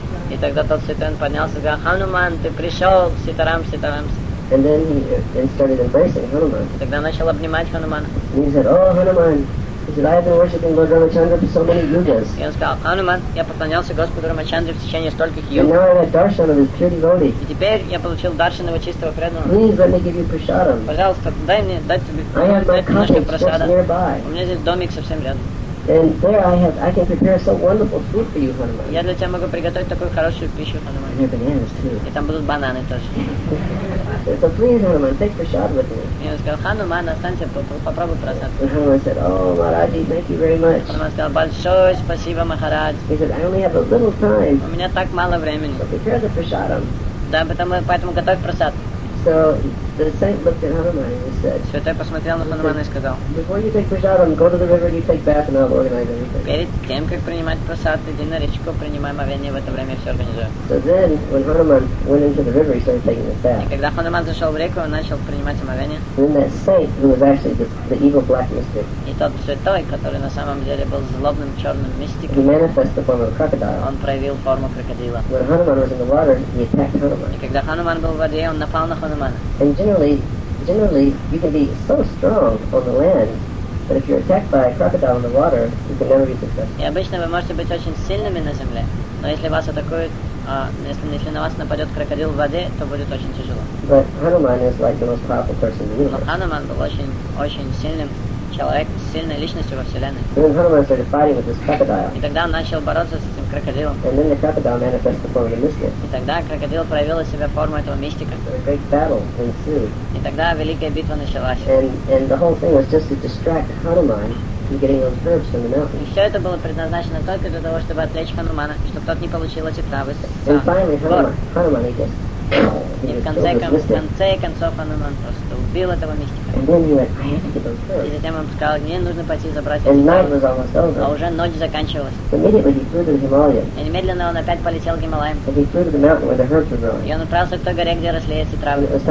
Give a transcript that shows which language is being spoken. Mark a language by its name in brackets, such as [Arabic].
[Russian] И тогда тот святой поднялся и сказал, Хануман, ты пришел, Ситарам, Ситарам. [English] And then he started embracing Hanuman. [Russian] Тогда начал обнимать Хануману. [English] And he said, "Oh, Hanuman, he said, I've been worshiping Lord Ramachandra for so many yugas." [Russian] И он сказал, Хануман, я поклонялся Господу Рамачандре в течение стольких юг. [English] And now I have darshan of his pure devotee. [Russian] И теперь я получил даршан его чистого преданного. [English] Please let me give you prasadam. [Russian] Пожалуйста, дай мне дать тебе. [English] I have my cottage just nearby. [Russian] У меня здесь домик совсем рядом. [English] And there I can prepare so wonderful food for you, Hanuman. [Russian] Я для тебя могу приготовить такую хорошую пищу, Хануман. [English] And your bananas too. [Russian] И там будут бананы тоже. [English] So please, Hanuman, take prasad with me. [Russian] Я сказал, Хануман, останься, попробуй прасад. [English] Hanuman said, oh, Maharaji, thank you very much. [Russian] Хануман сказал, большое спасибо, Махарадж. [English] He said, I only have a little time. [Russian] У меня так мало времени. [English] So prepare the prasadam. [Russian] Да, поэтому готовь прасад. [English] So the saint looked at Hanuman and said, [Russian] Святой посмотрел на Хануман и сказал, [English] before you take prasadam, go to the river and you take bath and I'll organize everything. [Russian] Перед тем, как принимать прасад, иди на речку, принимай омовение, в это время все организую. [English] So then, when Hanuman went into the river, he started taking his bath. [Russian] И когда Хануман зашел в реку, он начал принимать омовение. [English] Then that saint, who was actually the evil black mystic, [Russian] и тот святой, который на самом деле был злобным черным мистиком, [English] he manifested the form of a crocodile. [Russian] Он проявил форму крокодила. [English] When Hanuman was in the water, he attacked Hanuman. [Russian] И когда Хануман был в воде, он напал на Хануман. [English] And generally, you can be so strong on the land, but if you're attacked by a crocodile in the water, you can never be successful. [Russian] И обычно вы можете быть очень сильными на земле, но если вас атакуют, если на вас нападет крокодил в воде, то будет очень тяжело. [English] But Hanuman is like the most powerful person in the universe. [Russian] Но Хануман был очень сильным человек, сильной личностью во вселенной. [English] And then Hanuman started fighting with this crocodile. [Russian] И тогда он начал бороться с этим крокодилом. [English] And then the crocodile manifested the form of the mystic. [Russian] И тогда крокодил проявил из себя форму этого мистика. [English] So a great battle ensued. [Russian] И тогда великая битва началась. [English] And the whole thing was just to distract Hanuman from getting those herbs from the mountain. [Russian] И все это было предназначено только для того, чтобы отвлечь Ханумана, чтобы тот не получил эти травы. [English] And finally, Hanuman he just. [Russian] И в конце концов Хануман просто убил этого мистика. И затем он сказал, мне нужно пойти забрать его. А уже ночь заканчивалась. И немедленно он опять полетел к Гималаям. И он отправился к той горе, где росли эти травы.